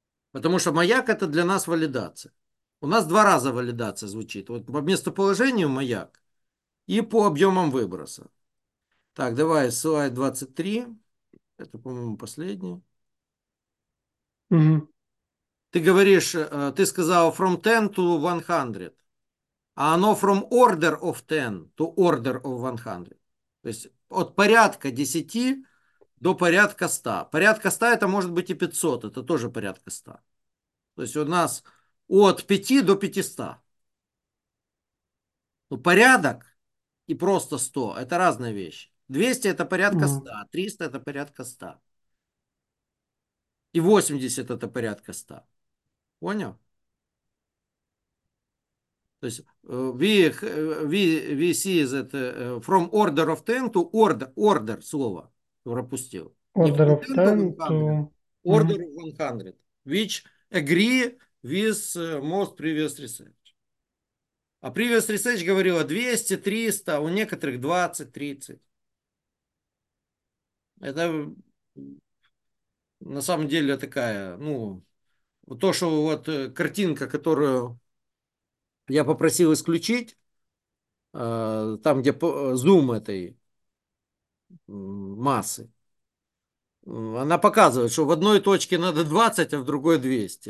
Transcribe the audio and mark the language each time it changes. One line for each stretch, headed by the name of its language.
Russian: Потому что маяк это для нас валидация. У нас два раза валидация звучит. Вот по местоположению маяк и по объемам выброса. Так, давай, слайд 23. Это, по-моему, последний. Ты говоришь, ты сказал
English: from 10 to 100.
Russian: А оно
English: from order of 10 to order of 100.
Russian: То есть от порядка 10 до порядка 100. Порядка 100 это может быть и 500, это тоже порядка 100. То есть у нас от 5 до 500. Ну, порядок и просто 100 это разные вещи. 200 это порядка 100, 300 это порядка 100. И 80 это порядка 100. Понял? То есть
English: we see that from order of 10 to order
Russian: слово пропустил. Не
English: Order of from 10 to 100, to... order of 100, which agree with most previous research.
Russian: А
English: previous research
Russian: говорила 200, 300, у некоторых 20, 30. Это на самом деле такая, ну, то, что вот картинка, которую я попросил исключить, там, где зум этой массы, она показывает, что в одной точке надо 20, а в другой 200.